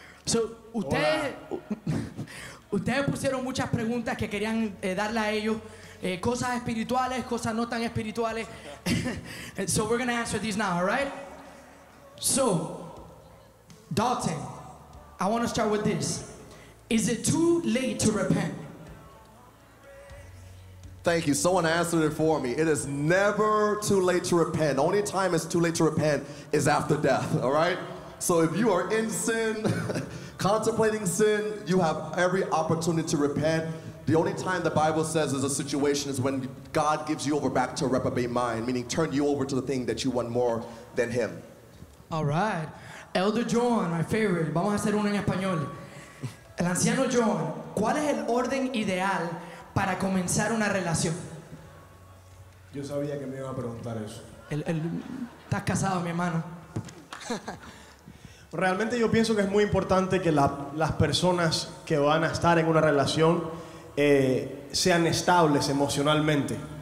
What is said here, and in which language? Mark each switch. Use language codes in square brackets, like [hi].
[es] So, ustedes pusieron muchas preguntas que querían darle a ellos. Cosas espirituales, cosas no tan espirituales. [en] So we're gonna answer these now, all right? So, Dalton, I want to start with this. Is it too late to repent? Thank you. Someone answered it for me. It is never too late to repent. The only time it's too late to repent is after death, all right? So if you are in sin, contemplating sin, you have every opportunity to repent. The only time the Bible says is a situation is when God gives you over back to a reprobate mind, meaning turn you over to the thing that you want more than him. All right. Elder John, my favorite. [es] Vamos a hacer uno en español. El anciano John, ¿cuál es el orden ideal para comenzar una relación? Yo sabía que me iban a preguntar eso. ¿Estás casado, mi hermano? Realmente yo pienso que es muy importante que las personas que van a estar en una relación sean estables emocionalmente.